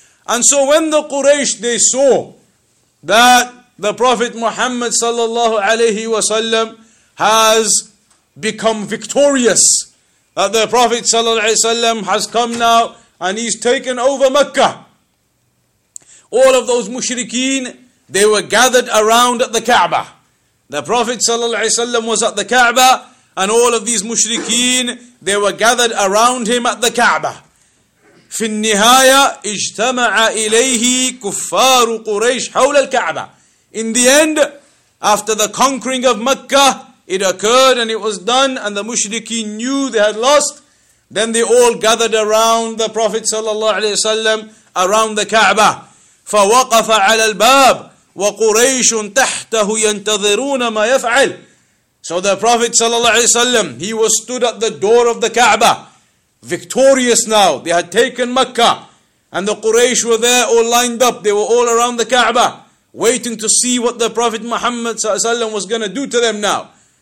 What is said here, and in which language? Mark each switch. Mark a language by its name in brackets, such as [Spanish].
[English] And so when the Quraysh, they saw that the Prophet Muhammad sallallahu alayhi wasallam has become victorious, that the Prophet sallallahu alayhi wasallam has come now and he's taken over Makkah, all of those mushrikeen, they were gathered around at the Kaaba. The Prophet sallallahu alayhi wasallam was at the Kaaba, and all of these mushrikeen, they were gathered around him at the Kaaba. [Arabic] في النهاية اجتمع إليه كفار قريش حول الكعبة. [English] In the end, after the conquering of Makkah, it occurred and it was done, and the mushrikeen knew they had lost. Then they all gathered around the Prophet صلى الله عليه وسلم around the كعبة. [Arabic] فوقف على الباب وقريش تحته ينتظرون ما يفعل. [English] So the Prophet صلى الله عليه وسلم, he was stood at the door of the كعبة, victorious now. They had taken Makkah, and the Quraysh were there all lined up. They were all around the Kaaba waiting to see what the Prophet Muhammad sallallahu alaihi wasallam was going to do to them now.